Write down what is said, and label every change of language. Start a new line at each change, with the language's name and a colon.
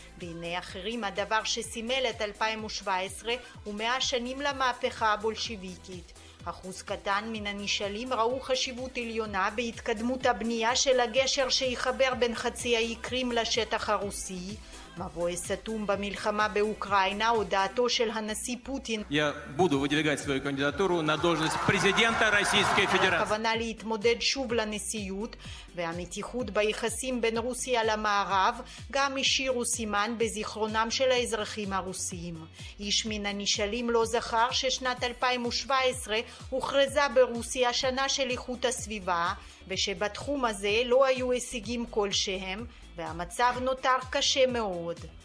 Hebrew: בעיני אחרים הדבר שסימל את 2017 ומאה שנים למהפכה הבולשיביקית. אחוז קטן מן הנשאלים ראו חשיבות עליונה בהתקדמות הבנייה של הגשר שיחבר בין חצי האי קרים לשטח הרוסי. מבוא סתום במלחמה באוקראינה, הודעתו של הנשיא פוטין.
Russian: Я буду выдвигать свою кандидатуру на должность президента Российской Федерации.
Hebrew: הכוונה להתמודד שוב לנשיאות, והמתיחות ביחסים בין רוסיה למערב גם השאירו סימן בזיכרונם של האזרחים הרוסיים. איש מן הנשאלים לא זכר ששנת 2017 הוכרזה ברוסיה שנה של איכות הסביבה, ושבתחום הזה לא היו הישגים כלשהם, והמצב נותר קשה מאוד.